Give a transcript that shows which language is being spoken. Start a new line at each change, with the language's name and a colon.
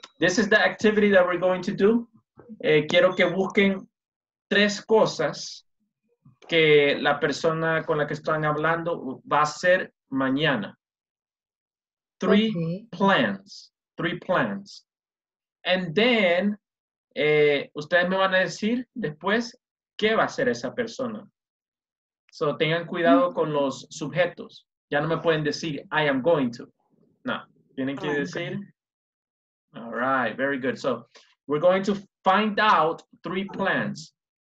English: This is the activity that we're going to do.
Spanish: Quiero que busquen tres cosas que la persona con la que están hablando va a hacer mañana.
English: Three plans. And then,
Spanish: ustedes me van a decir después qué va a hacer esa persona. So, tengan cuidado con los sujetos. Ya no me pueden decir,
English: I am going to.
Spanish: No. Tienen que decir.
English: All right, very good. So we're going to find out three plans.